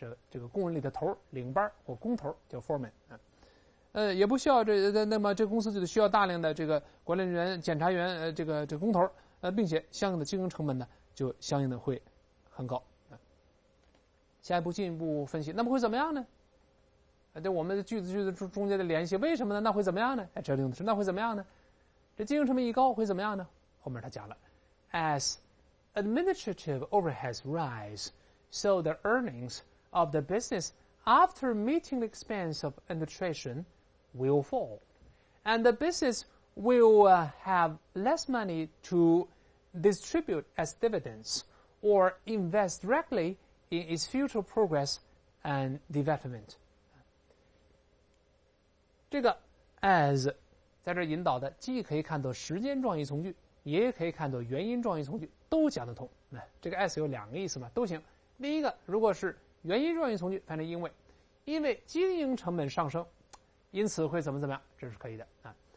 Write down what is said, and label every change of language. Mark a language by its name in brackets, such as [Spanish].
[Chinese] 这个工人里的头领班或工头叫 foreman 啊，也不需要那么这公司就需要大量的这个管理人员、检查员这个工头并且相应的经营成本呢就相应的会很高啊。下一步进一步分析，那么会怎么样呢？对我们的句子中间的联系，为什么呢？那会怎么样呢？哎，这用的是那会怎么样呢？这经营成本一高会怎么样呢？后面他讲了 [English] ，as administrative overheads rise, so the earnings of the business after meeting the expense of administration will fall, and the business will have less money to distribute as dividends or invest directly in its future progress and development. [Chinese] 这个 as 在这引导的既可以看作时间状语从句，也可以看作原因状语从句，都讲得通。这个 as 有两个意思嘛，都行。第一个，如果是原因状语从句，反正因为经营成本上升，因此会怎么怎么样，这是可以的啊。